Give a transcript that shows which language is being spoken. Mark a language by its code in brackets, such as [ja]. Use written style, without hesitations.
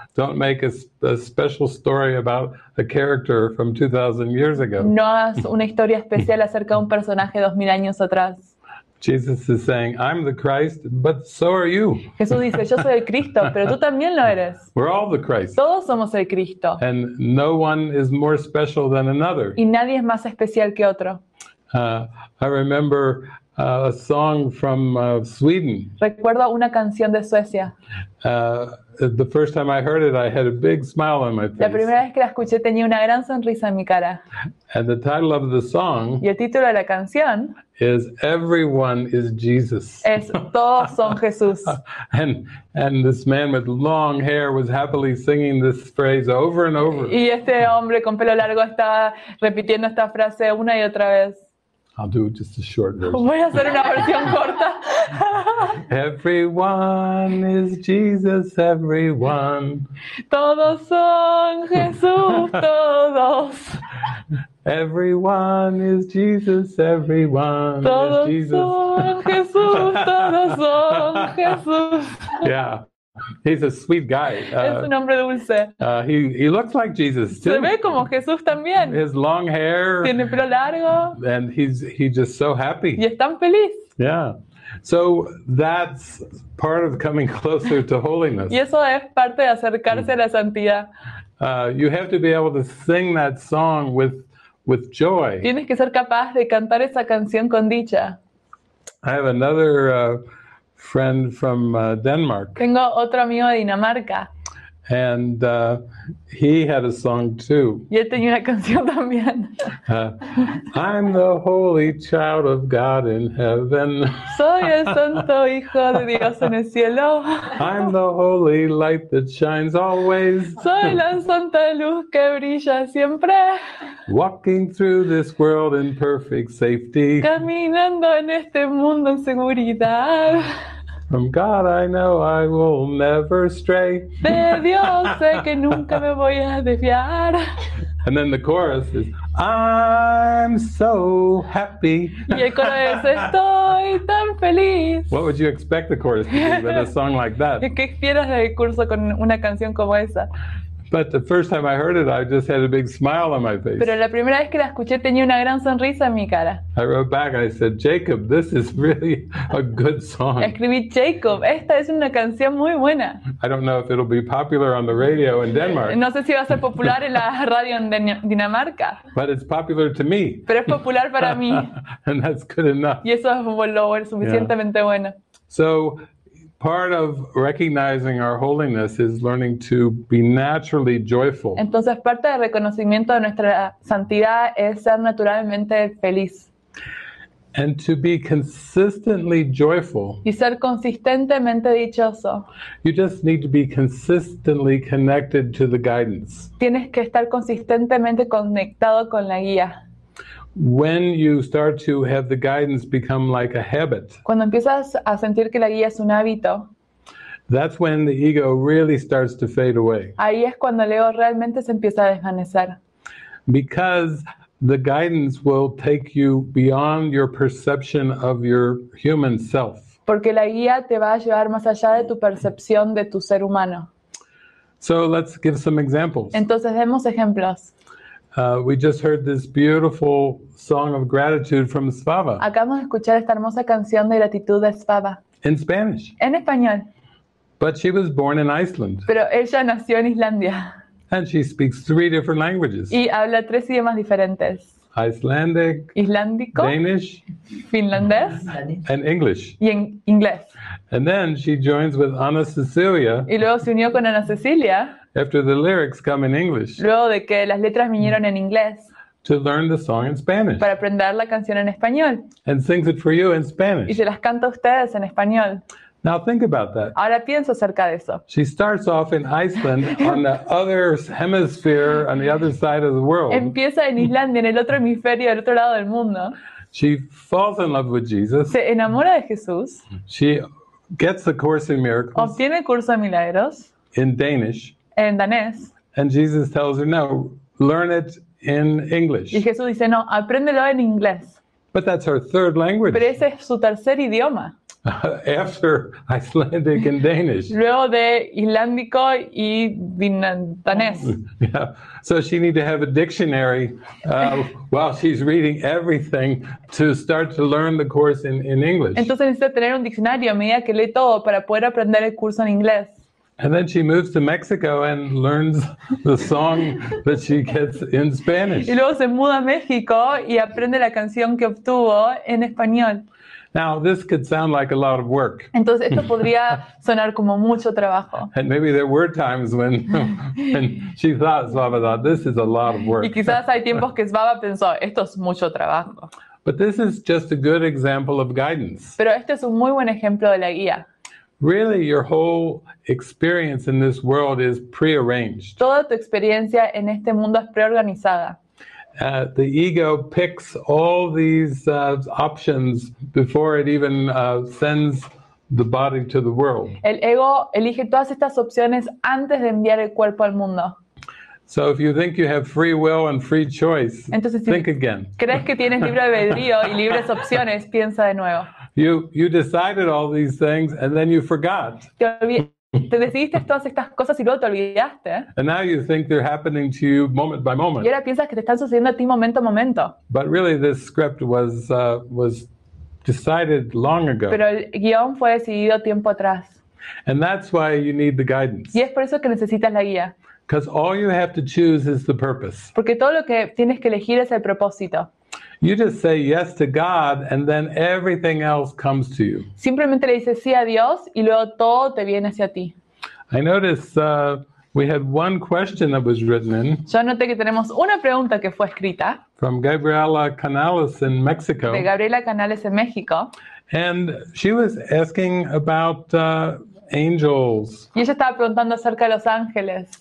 [en] Don't make a special story about a character from 2,000 years ago. [es] No hagas una historia especial acerca de un personaje 2,000 años atrás. [en] Jesus is saying, I'm the Christ, but so are you. [es] Jesús dice, yo soy el Cristo, pero tú también lo eres. [en] We're all the Christ. [es] Todos somos el Cristo. [en] And no one is more special than another. [es] Y nadie es más especial que otro. [en] I remember a song from Sweden. [es] Recuerdo una canción de Suecia. [en] The first time I heard it, I had a big smile on my face. [es] La primera vez que la escuché tenía una gran sonrisa en mi cara. [en] And the title of the song. [es] Y el título de la canción. [en] Is everyone is Jesus. [es] Es todos son Jesús. [en] And this man with long hair was happily singing this phrase over and over. [es] Y este hombre con pelo largo estaba repitiendo esta frase una y otra vez. [en] I'll do just a short version. [es] Voy a hacer una versión corta. [en] Everyone is Jesus, everyone. [es] Todos son Jesús, todos. [en] Everyone is Jesus, everyone [es] todos [en] is Jesus. [es] Son Jesús, todos son Jesús. [en] Yeah. He's a sweet guy. [es] Es un hombre dulce. [en] He looks like Jesus too. [es] Se ve como Jesús también. [en] His long hair. [es] Tiene pelo largo. [en] And he's just so happy. [es] Y es tan feliz. [en] Yeah. So that's part of coming closer to holiness. [es] Y eso es parte de acercarse a la santidad. [en] You have to be able to sing that song with joy. [es] Tienes que ser capaz de cantar esa canción con dicha. [en] I have another friend from Denmark. [es] Tengo otro amigo de Dinamarca. [en] And he had a song too. [es] Y él tenía una canción también. [en] I'm the holy child of God in heaven. [es] Soy el santo hijo de Dios en el cielo. [en] I'm the holy light that shines always. [es] Soy la santa luz que brilla siempre. [en] Walking through this world in perfect safety. [es] Caminando en este mundo en seguridad. [en] From God I know I will never stray. [es] De Dios sé que nunca me voy a desviar. [en] And then the chorus is, I'm so happy. [es] Y el coro es, estoy tan feliz. [en] What would you expect the chorus to be with a song like that? [es] ¿Qué esperas del curso con una canción como esa? [en] But the first time I heard it, I just had a big smile on my face. [es] Pero la primera vez que la escuché tenía una gran sonrisa en mi cara. [en] I wrote back, I said, Jacob, this is really a good song. [es] Escribí, Jacob, esta es una canción muy buena. [en] I don't know if it'll be popular on the radio in Denmark. [es] No sé si va a ser popular en la radio en Dinamarca. [en] But it's popular to me. [es] Pero es popular para mí. [en] And that's good enough. [es] Y eso es lo suficientemente bueno. [en] So, part of recognizing our holiness is learning to be naturally joyful. [es] Entonces, parte del reconocimiento de nuestra santidad es ser naturalmente feliz. [en] And to be consistently joyful. [es] Y ser consistentemente dichoso. [en] You just need to be consistently connected to the guidance. [es] Tienes que estar consistentemente conectado con la guía. [en] When you start to have the guidance become like a habit, [es] cuando empiezas a sentir que la guía es un hábito, [en] that's when the ego really starts to fade away. [es] Ahí es cuando el ego realmente se empieza a desvanecer. [en] Because the guidance will take you beyond your perception of your human self. [es] Porque la guía te va a llevar más allá de tu percepción de tu ser humano. [en] So let's give some examples. [es] Entonces demos ejemplos. [en] We just heard this beautiful song of gratitude from Svava. [es] Acabamos de escuchar esta hermosa canción de gratitud de Svava. [en] In Spanish. [es] En español. [en] But she was born in Iceland. [es] Pero ella nació en Islandia. [en] And she speaks three different languages. [es] Y habla tres idiomas diferentes. [en] Icelandic. [es] Islandico. [en] Danish. [es] Finlandés. [en] And English. [es] Y en inglés. [en] And then she joins with Ana Cecilia. [es] Y luego se unió con Ana Cecilia. [en] After the lyrics come in English. [es] Luego de que las letras vinieron en inglés. [en] to learn the song in Spanish. [es] Para aprender la canción en español. [en] And sings it for you in Spanish. [es] Y se las canta a ustedes en español. [en] Now think about that. [es] Ahora pienso acerca de eso. [en] She starts off in Iceland on the other hemisphere, on the other side of the world. [es] Empieza en Islandia, en el otro hemisferio, al otro lado del mundo. [en] She falls in love with Jesus. [es] Se enamora de Jesús. [en] She gets the Course in Miracles. [es] Obtiene el curso de milagros. [en] In Danish. [es] En danés. [en] And Jesus tells her, no, learn it in English. [es] Y Jesús dice, no, apréndelo en inglés. [en] But that's her third language. [es] Pero ese es su tercer idioma. [en] After Icelandic and Danish. [es] Luego de islandico y danés. [en] Yeah. So she need to have a dictionary while she's reading everything to start to learn the course in English. [es] Entonces necesita tener un diccionario a medida que lee todo para poder aprender el curso en inglés. [en] And then she moves to Mexico and learns the song that she gets in Spanish. [es] Y luego se muda a México y aprende la canción que obtuvo en español. [en] Now this could sound like a lot of work. [es] Entonces esto podría sonar como mucho trabajo. [en] And maybe there were times when she thought, Svava thought, this is a lot of work. [es] Y quizás hay tiempos que Svava pensó, esto es mucho trabajo. [en] But this is just a good example of guidance. [es] Pero este es un muy buen ejemplo de la guía. [en] Really, your whole experience in this world is prearranged. [es] Toda tu experiencia en este mundo es preorganizada. [en] The ego picks all these options before it even sends the body to the world. [es] El ego elige todas estas opciones antes de enviar el cuerpo al mundo. [en] So if you think you have free will and free choice, [es] entonces, [en] think [es] si [en] again. [es] ¿Crees que tienes libre albedrío y libres opciones? Piensa de nuevo. [en] You decided all these things and then you forgot. [es] Te decidiste todas estas cosas y luego te olvidaste. [en] And now you think they're happening to you moment by moment. [es] Y ahora piensas que te están sucediendo a ti momento a momento. [en] But really this script was decided long ago. [es] Pero el guión fue decidido tiempo atrás. [en] And that's why you need the guidance. [es] Y es por eso que necesitas la guía. [en] Because all you have to choose is the purpose. [es] Porque todo lo que tienes que elegir es el propósito. [en] You just say yes to God and then everything else comes to you. [es] Simplemente le dices sí a Dios y luego todo te viene hacia ti. [en] I noticed we had one question that was written in. [es] Yo noté que tenemos una pregunta que fue escrita. [en] From Gabriela Canales in Mexico. [es] De Gabriela Canales en México. [en] And she was asking about angels. [es] Y ella estaba preguntando acerca de los ángeles.